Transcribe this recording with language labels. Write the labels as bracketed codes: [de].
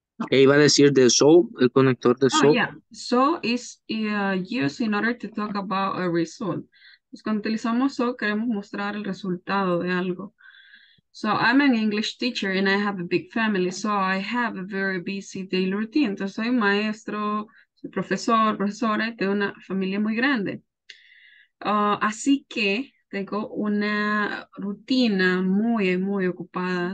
[es] Iba a decir de so, el conector de so. [en] Yeah, so is used in order to talk about a result. [es] Pues cuando utilizamos so, queremos mostrar el resultado de algo. [en] So I'm an English teacher and I have a big family, so I have a very busy daily routine. [es] Entonces soy maestro, soy profesora, y tengo una familia muy grande. Así que tengo una rutina muy, muy ocupada.